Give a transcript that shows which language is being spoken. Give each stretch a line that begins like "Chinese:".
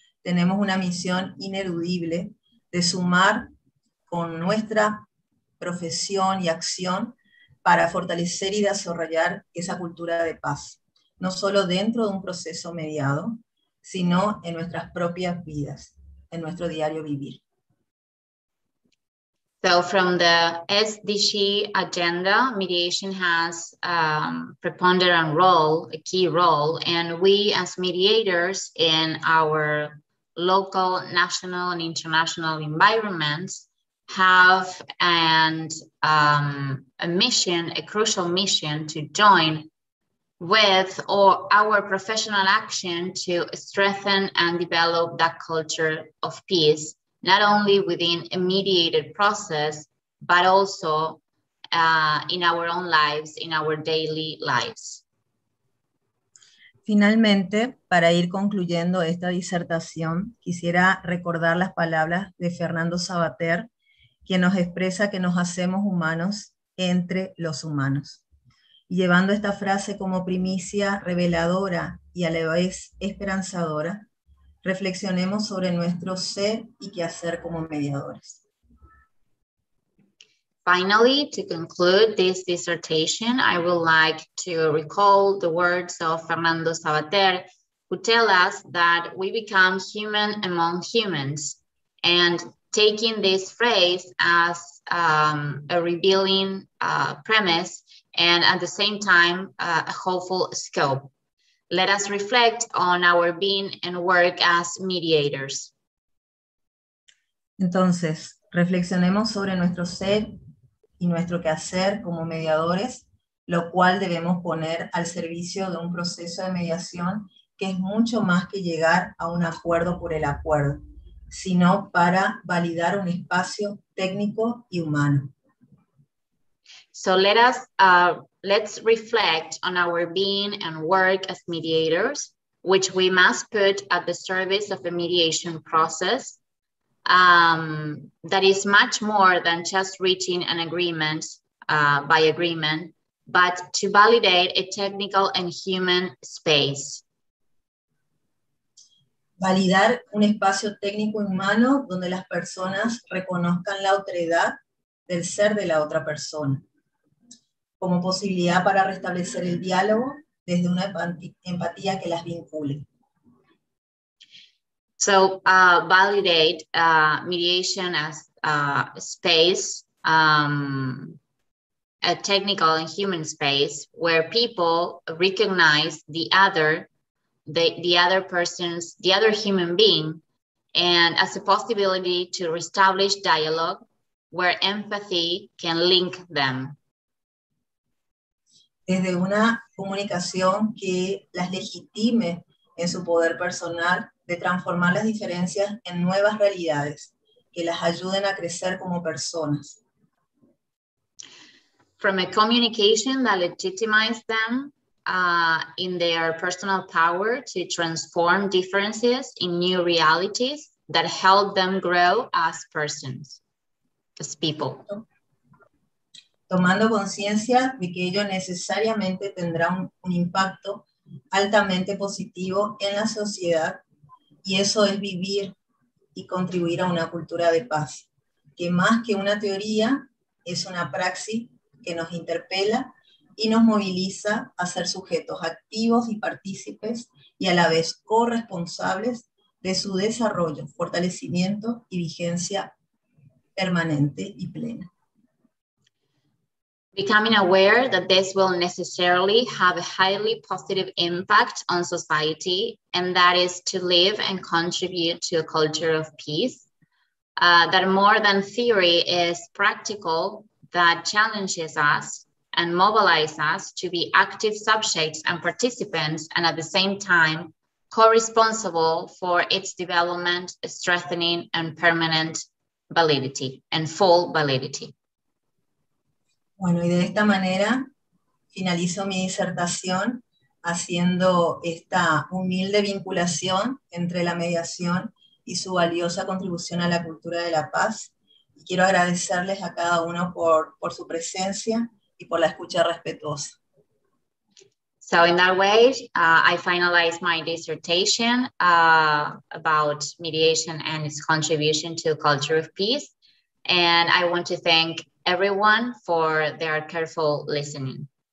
Spanish: tenemos una misión ineludible de sumar con nuestra profesión y acción para fortalecer y desarrollar esa cultura de paz, no solo dentro de un proceso mediado, sino en nuestras propias vidas, en nuestro diario vivir.
English: So from the SDG agenda, mediation has a preponderant role, a key role, and we as mediators in our local, national, and international environments have a mission, a crucial mission to join with our professional action to strengthen and develop that culture of peace, not only within a mediated process, but also in our own lives, in our daily lives.
Spanish: Finalmente, para ir concluyendo esta disertación, quisiera recordar las palabras de Fernando Sabater, quien nos expresa que nos hacemos humanos entre los humanos. Y llevando esta frase como primicia reveladora y a la vez esperanzadora, reflexionemos sobre nuestro ser y qué hacer como mediadores.
English: Finally, to conclude this dissertation, I would like to recall the words of Fernando Sabater, who tell us that we become human among humans. And taking this phrase as a revealing premise and at the same time a hopeful scope. Let us reflect on our being and work as mediators.
Spanish: Entonces, reflexionemos sobre nuestro ser y nuestro quehacer como mediadores, lo cual debemos poner al servicio de un proceso de mediación que es mucho más que llegar a un acuerdo por el acuerdo, sino para validar un espacio técnico y humano.
English: So let's reflect on our being and work as mediators, which we must put at the service of a mediation process that is much more than just reaching an agreement by agreement, but to validate a technical and human space.
Spanish: Validar un espacio técnico humano donde las personas reconozcan la otredad del ser de la otra persona, como posibilidad para restablecer el diálogo desde una empatía que las vincule.
English: So, validate mediation as a space, a technical and human space, where people recognize the other, the other person's, the other human being, and as a possibility to reestablish dialogue where empathy can link them.
Spanish: Desde una comunicación que las legitime en su poder personal de transformar las diferencias en nuevas realidades que las ayuden a crecer como personas.
English: From a communication that legitimizes them in their personal power to transform differences in new realities that help them grow as persons, as people.
Spanish: Tomando conciencia de que ello necesariamente tendrá un impacto altamente positivo en la sociedad, y eso es vivir y contribuir a una cultura de paz, que más que una teoría, es una praxis que nos interpela y nos moviliza a ser sujetos activos y partícipes y a la vez corresponsables de su desarrollo, fortalecimiento y vigencia permanente y plena.
English: Becoming aware that this will necessarily have a highly positive impact on society, and that is to live and contribute to a culture of peace, that more than theory is practical, that challenges us and mobilizes us to be active subjects and participants, and at the same time, co-responsible for its development, strengthening, and permanent validity and full validity.
Spanish: Bueno, y de esta manera finalizo mi disertación haciendo esta humilde vinculación entre la mediación y su valiosa contribución a la cultura de la paz. Y quiero agradecerles a cada uno por su presencia y por la escucha respetuosa.
English: So in that way, I finalized my dissertation about mediation and its contribution to a culture of peace. And I want to thank everyone for their careful listening.